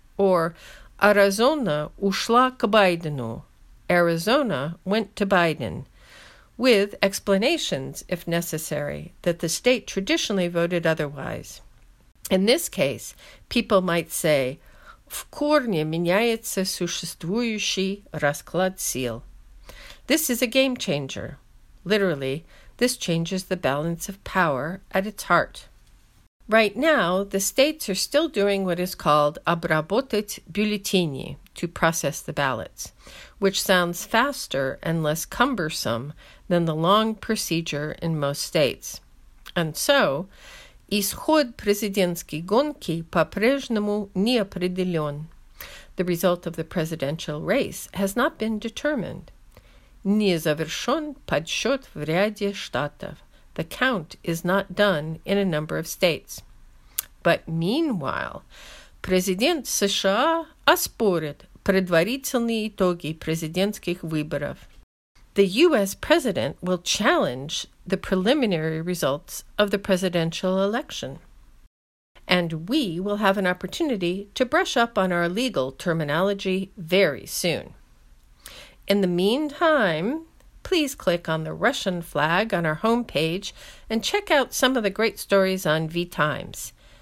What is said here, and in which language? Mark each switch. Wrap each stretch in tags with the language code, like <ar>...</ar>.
<en>Or</en> <ru>Аризона ушла к Байдену.</ru> <en>Arizona went to Biden. With explanations, if necessary, that the state traditionally voted otherwise. In this case, people might say, в корне меняется существующий расклад сил. This is a game changer. Literally, this changes the balance of power at its heart. Right now, the states are still doing what is called обработать бюллетени, to process the ballots, which sounds faster and less cumbersome than the long procedure in most states.</en> <ru>And so, исход президентской гонки по-прежнему неопределен.</ru> <en>The result of the presidential race has not been determined.</en> <ru>Не завершен подсчет в ряде штатов.</ru> <en>The count is not done in a number of states.</en> <ru>But meanwhile, президент США оспорит предварительные итоги президентских выборов.</ru> <en>The U.S. president will challenge the preliminary results of the presidential election. And we will have an opportunity to brush up on our legal terminology very soon. In the meantime, please click on the Russian flag on our homepage and check out some of the great stories on VTimes.</en>